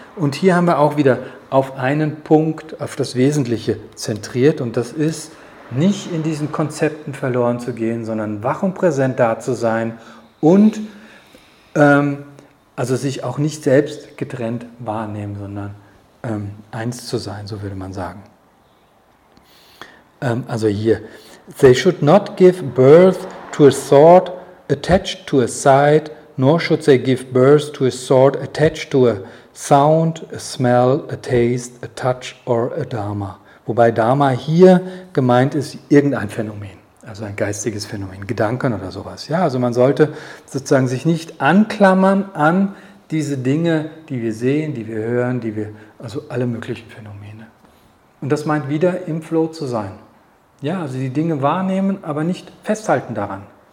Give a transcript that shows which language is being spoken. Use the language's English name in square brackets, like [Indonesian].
[German] Und hier haben wir auch wieder auf einen Punkt, auf das Wesentliche zentriert. Und das ist, nicht in diesen Konzepten verloren zu gehen, sondern wach und präsent da zu sein und also sich auch nicht selbst getrennt wahrnehmen, sondern eins zu sein, so würde man sagen. Also hier, [English] they should not give birth to a thought attached to a sight, nor should they give birth to a thought attached to a sound, a smell, a taste, a touch or a dharma. [German] Wobei Dharma hier gemeint ist irgendein Phänomen, also ein geistiges Phänomen, Gedanken oder sowas. Ja, also man sollte sozusagen sich nicht anklammern an diese Dinge, die wir sehen, die wir hören, die wir, also alle möglichen Phänomene. Und das meint wieder im Flow zu sein. Ja, also die Dinge wahrnehmen, aber nicht festhalten daran.